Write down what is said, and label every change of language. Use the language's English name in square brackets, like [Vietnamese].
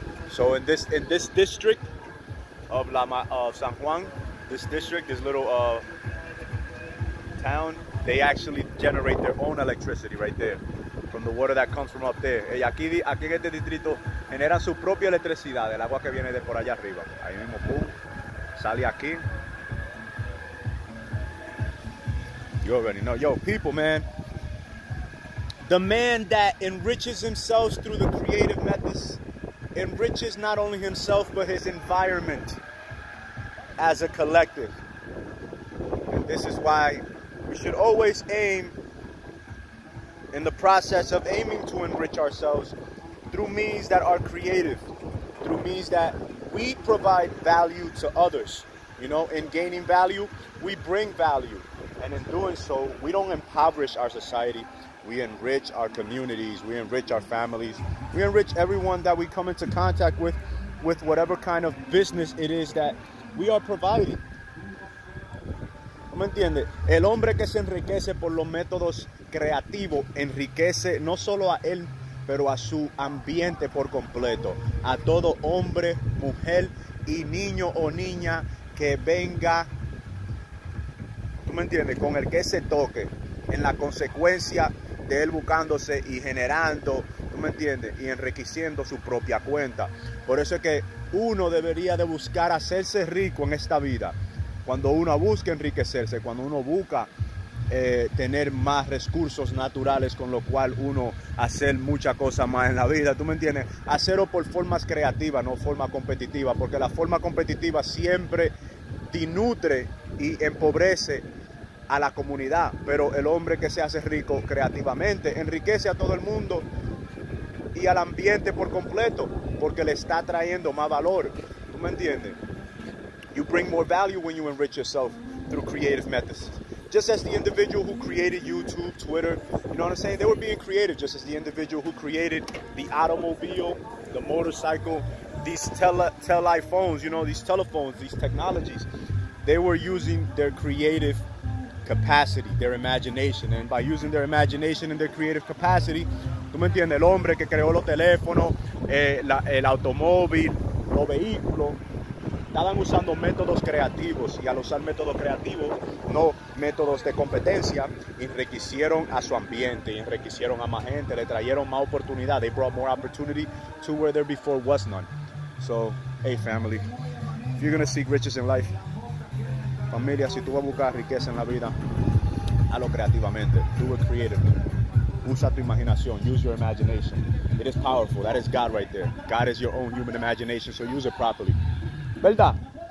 [English] So in this district of San Juan, this district, this little town, they actually generate their own electricity right there from the water that comes from up there. [Spanish] Y aquí en este distrito generan su propia electricidad, el agua que viene de por allá arriba. Ahí mismo, pum, sale aquí. [English] You already know. Yo, people, man. The man that enriches himself through the creative methods enriches not only himself, but his environment as a collective. And this is why we should always aim, in the process of aiming to enrich ourselves, through means that are creative, through means that we provide value to others. You know, in gaining value, we bring value. And in doing so, we don't impoverish our society. We enrich our communities, we enrich our families, we enrich everyone that we come into contact with whatever kind of business it is that we are providing. [Spanish] ¿Me entiende? El hombre que se enriquece por los métodos creativos enriquece no solo a él, pero a su ambiente por completo. A todo hombre, mujer y niño o niña que venga, ¿tú me entiendes? Con el que se toque, en la consecuencia de él buscándose y generando, ¿tú me entiendes? Y enriqueciendo su propia cuenta. Por eso es que uno debería de buscar hacerse rico en esta vida. Cuando uno busca enriquecerse, cuando uno busca tener más recursos naturales con lo cual uno hacer muchas cosas más en la vida, ¿tú me entiendes? Hacerlo por formas creativas, no forma competitiva, porque la forma competitiva siempre dinutre y empobrece a la comunidad, pero el hombre que se hace rico creativamente enriquece a todo el mundo y al ambiente por completo, porque le está trayendo más valor, ¿tú me entiendes? [English] You bring more value when you enrich yourself through creative methods. Just as the individual who created YouTube, Twitter, you know what I'm saying? They were being creative, just as the individual who created the automobile, the motorcycle, these telephones, you know, these telephones, these technologies. They were using their creative capacity, their imagination. And by using their imagination and their creative capacity, [Spanish] ¿tú me entiendes? El hombre que creó los teléfonos, el automóvil, los vehículos, estaban usando métodos creativos, y al usar métodos creativos, no métodos de competencia, enriquecieron a su ambiente, enriquecieron a más gente, le trajeron más oportunidad. [English] They brought more opportunity to where there before was none. So, hey family, if you're going to seek riches in life, [Spanish] familia, si tú vas a buscar riqueza en la vida, hazlo creativamente. [English] Do it creatively. [Spanish] Usa tu imaginación. [English] Use your imagination. It is powerful. That is God right there. God is your own human imagination, so use it properly. [Spanish] ¿Verdad?